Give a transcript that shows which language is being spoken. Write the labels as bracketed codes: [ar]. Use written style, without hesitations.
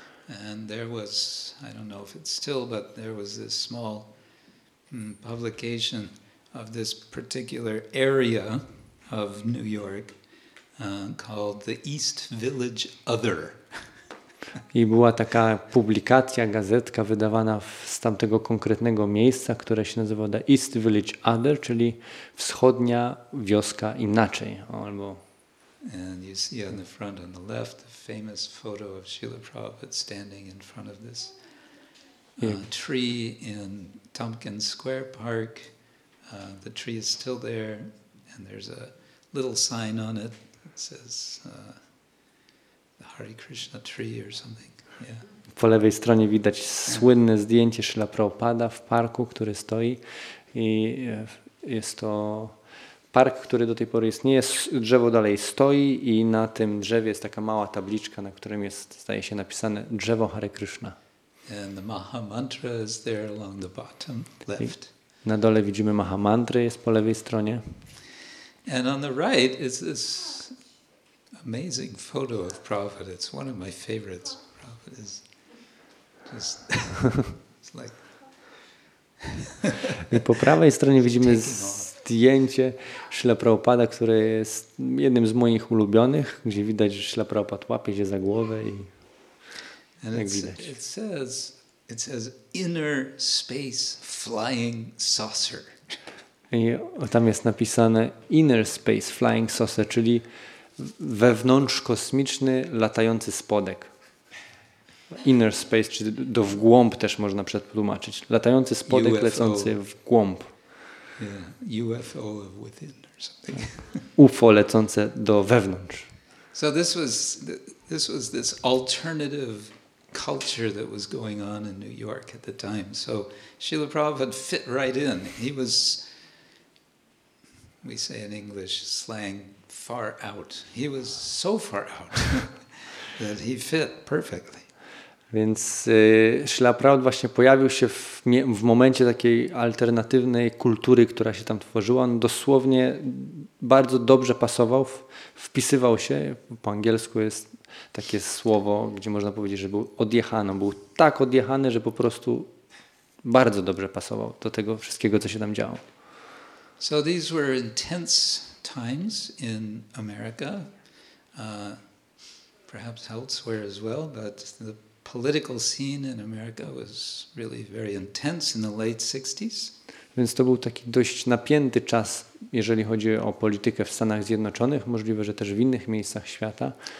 [en] And there was, I don't know if it's still, but there was this small publication of this particular area of New York. Called the East Village Other. [pl] I była taka publikacja, gazetka wydawana z tamtego konkretnego miejsca, które się nazywa The East Village Other, czyli wschodnia wioska inaczej. Albo... [en] And you see on the front on the left the famous photo of Srila Prabhupada standing in front of this tree in Tompkins Square Park. The tree is still there and there's a little sign on it. It says the Hare Krishna tree or something. Yeah. [pl] Po lewej stronie widać słynne zdjęcie Srila Prabhupada w parku, który stoi. I jest to park, który do tej pory istnieje. Drzewo dalej stoi i na tym drzewie jest taka mała tabliczka, na którym jest, zdaje się, napisane Drzewo Hare Krishna. [en] And the Maha Mantra is there along the bottom left. [pl] Na dole widzimy Mahamantry, jest po lewej stronie. [en] And on the right is this amazing photo of Prabhupada. It's one of my favorites. Prabhupada is just it's like [pl] I po prawej stronie widzimy zdjęcie Śrila Prabhupada, które jest jednym z moich ulubionych, gdzie widać, że Śrila Prabhupada łapie się za głowę i jak widać. [en] It says inner space flying saucer. [pl] I tam jest napisane [en] inner space flying saucer, [pl] czyli wewnątrz kosmiczny latający spodek. [en] Inner space, [pl] czy do w głąb też można przetłumaczyć. Latający spodek, UFO. Lecący w głąb. [en] Yeah. UFO of within or something. [pl] UFO lecące do wewnątrz. [en] So this was this alternative culture that was going on in New York at the time. So Srila Prabhupada fit right in. He was, we say in English slang, far out. He was so far out that he fit perfectly. [pl] Więc Śrila Prabhupada właśnie pojawił się w momencie takiej alternatywnej kultury, która się tam tworzyła. On dosłownie bardzo dobrze pasował, wpisywał się. Po angielsku jest takie słowo, gdzie można powiedzieć, że był odjechany. Był tak odjechany, że po prostu bardzo dobrze pasował do tego wszystkiego, co się tam działo. [en] So these were intense times in America. Perhaps elsewhere as well, but the political scene in America was really very intense in the late 60s. [pl] Więc to był taki dość napięty czas, jeżeli chodzi o politykę w Stanach Zjednoczonych, możliwe, że też w innych miejscach świata.